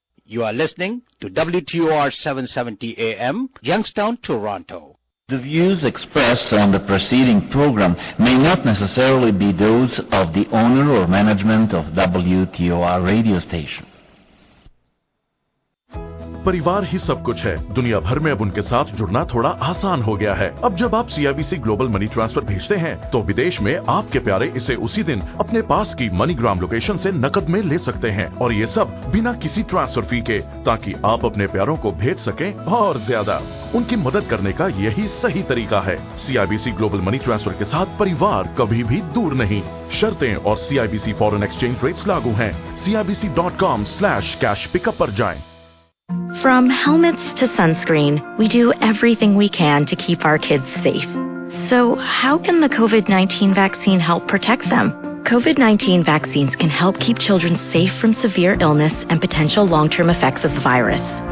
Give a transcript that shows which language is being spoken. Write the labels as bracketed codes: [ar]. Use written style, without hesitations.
[en] You are listening to WTOR 770 AM, Youngstown, Toronto. The views expressed on the preceding program may not necessarily be those of the owner or management of WTOR radio station. [hi] परिवार ही सब कुछ है दुनिया भर में अब उनके साथ जुड़ना थोड़ा आसान हो गया है अब जब आप CIBC ग्लोबल मनी ट्रांसफर भेजते हैं तो विदेश में आपके प्यारे इसे उसी दिन अपने पास की मनीग्राम लोकेशन से नकद में ले सकते हैं और ये सब बिना किसी ट्रांसफर फी के ताकि आप अपने प्यारों को भेज सकें और ज्यादा उनकी मदद करने का यही सही तरीका है CIBC ग्लोबल मनी ट्रांसफर के साथ परिवार कभी भी दूर नहीं शर्तें और CIBC फॉरेन एक्सचेंज रेट्स लागू हैं CIBC.com/cashpickup पर जाएं [en] From helmets to sunscreen, we do everything we can to keep our kids safe. So, how can the COVID-19 vaccine help protect them? COVID-19 vaccines can help keep children safe from severe illness and potential long-term effects of the virus.